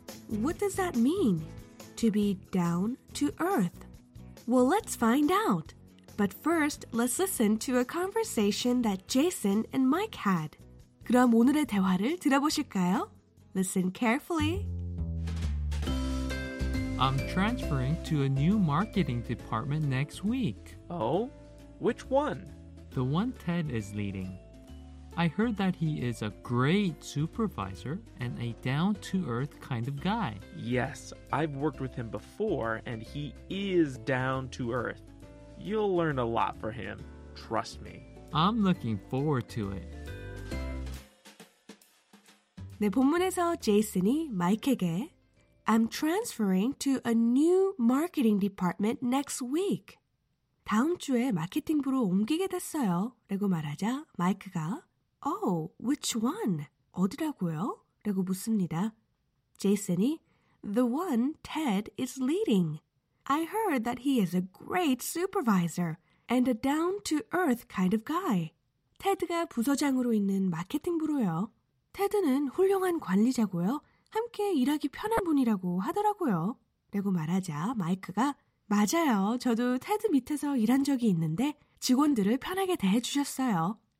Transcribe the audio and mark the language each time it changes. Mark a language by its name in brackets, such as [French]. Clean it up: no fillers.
[English] What does that mean, to be down to earth? Well, let's find out. But first, let's listen to a conversation that Jason and Mike had. [Korean] 그럼 오늘의 대화를 들어보실까요? [English] Listen carefully. I'm transferring to a new marketing department next week. Oh? Which one? The one Ted is leading. I heard that he is a great supervisor and a down-to-earth kind of guy. Yes, I've worked with him before, and he is down-to-earth. You'll learn a lot from him, trust me. I'm looking forward to it. [Korean] 네, 본문에서 제이슨이 마이크에게 [English] I'm transferring to a new marketing department next week. [Korean] 다음 주에 마케팅부로 옮기게 됐어요, 라고 말하자 마이크가 [English] Oh, which one? [Korean] 어디라고요? 라고 묻습니다. [English] 제이슨이 The one Ted is leading. I heard that he is a great supervisor and a down-to-earth kind of guy. [Korean] 테드가 부서장으로 있는 마케팅부로요. 테드는 훌륭한 관리자고요. 함께 일하기 편한 분이라고 하더라고요. 라고 말하자 마이크가 맞아요. 저도 테드 밑에서 일한 적이 있는데 직원들을 편하게 대해주셨어요.